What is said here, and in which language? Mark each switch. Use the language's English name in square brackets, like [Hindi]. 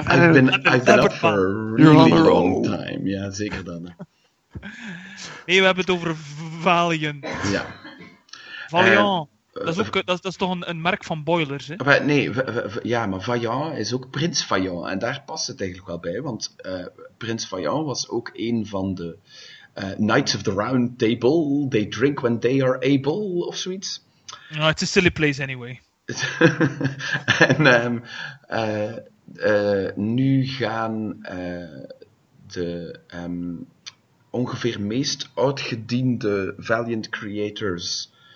[English] I've been up for a really long time. [Dutch] Ja, zeker dan. Nee, we hebben het over Valiant. Ja. Valiant. Dat is toch een merk van boilers, hè? Maar Vaillant is ook Prins Vaillant. En daar past het eigenlijk wel bij, want Prins Vaillant was ook een van de Knights of the Round Table. [English] They drink when they are able, [Dutch] of zoiets. [English] No, it's a silly place, anyway. [Dutch] En nu gaan de ongeveer meest uitgediende Valiant creators...